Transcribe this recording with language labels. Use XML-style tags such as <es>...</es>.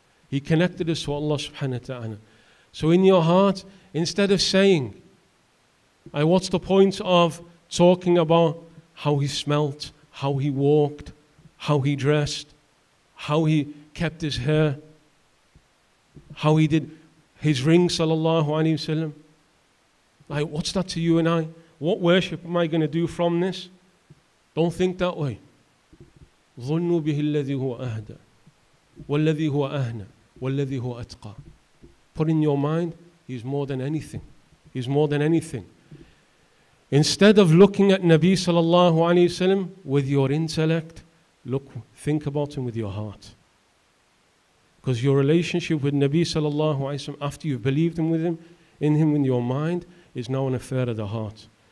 <en>He connected us to Allah subhanahu wa ta'ala. So in your heart, instead of saying, what's the point of talking about how he smelt, how he walked, how he dressed, how he kept his hair, how he did his ring, sallallahu alayhi wa sallam. Like, what's that to you and I? What worship am I going to do from this? Don't think that way.</en> <ar>ظنوا به الذي هو أهدى والذي هو أهنى والذي هو أتقى.</ar> <en>Put in your mind, he's more than anything. He's more than anything. Instead of looking at Nabi sallallahu alayhi wa sallam with your intellect, think about him with your heart. Because your relationship with Nabi sallallahu alayhi wa sallam, after you've believed him with him, in him in your mind, is now an affair of the heart.</en>